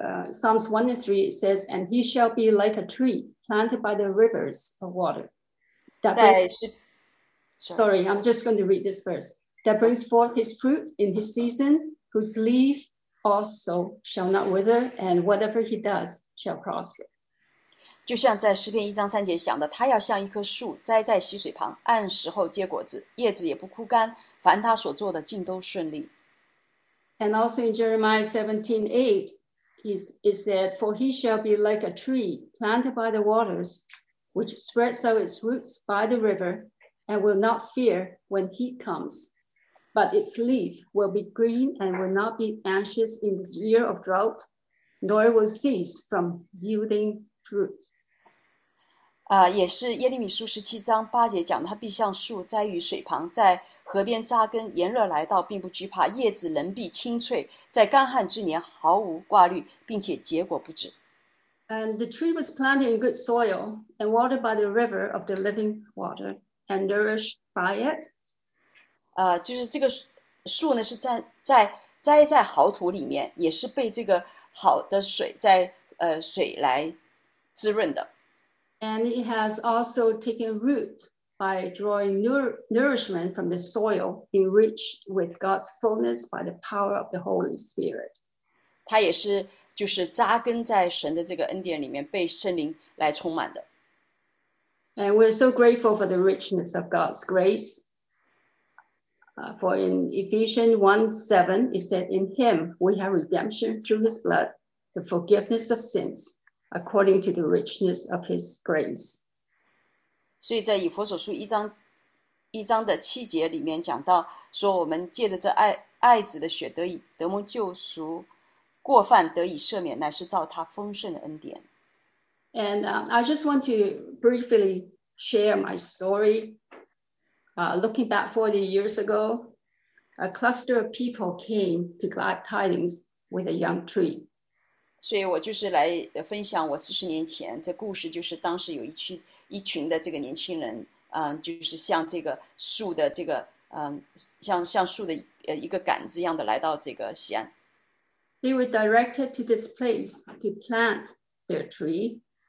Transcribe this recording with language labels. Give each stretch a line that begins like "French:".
English: Psalms 103 says, and he shall be like a tree planted by the rivers of water. Sorry, I'm just going to read this verse. That brings forth his fruit in his season, whose leaf also shall not wither, and whatever he does shall prosper.
Chinese: 就像在诗篇一章三节讲的，他要像一棵树栽在溪水旁，按时候结果子，叶子也不枯干，凡他所做的尽都顺利。
English: And also in Jeremiah 17:8, it said, For he shall be like a tree planted by the waters, which spreads out its roots by the river, and will not fear when heat comes. But its leaf will be green and will not be anxious in this year of drought, nor will cease from yielding fruit.
Chinese: 也是耶利米书十七章八节讲，他必像树栽于水旁，在河边扎根，炎热来到并不惧怕，叶子仍必青翠，在干旱之年毫无挂虑，并且结果不止。
English: And the tree was planted in good soil and watered by the river of the living water and nourished by it.
Chinese: 就是这个树呢是栽在好土里面，也是被这个好的水在水来滋润的。
English: And it has also taken root by drawing nourishment from the soil, enriched with God's fullness by the power of the Holy Spirit.
Chinese: 它也是就是扎根在神的这个恩典里面，被圣灵来充满的。
English: And we're so grateful for the richness of God's grace. For in Ephesians 1:7, it said, In him we have redemption through his blood, the forgiveness of sins. According to the richness of his grace.
Chinese: 所以在以弗所书一章的七节里面讲到说我们借着这爱子的血得蒙救赎过犯得以赦免乃是照他丰盛的恩典。
English: And I just want to briefly share my story. Looking back 40 years ago, a cluster of people came to Glad Tidings with a young tree.
Chinese: 所以我就是来分享我40年前的故事，就是当时有一群的这个年轻人，就是像这个树的这个，像树的一个杆子一样的来到这个西安。
English: They were directed to this place to plant their tree.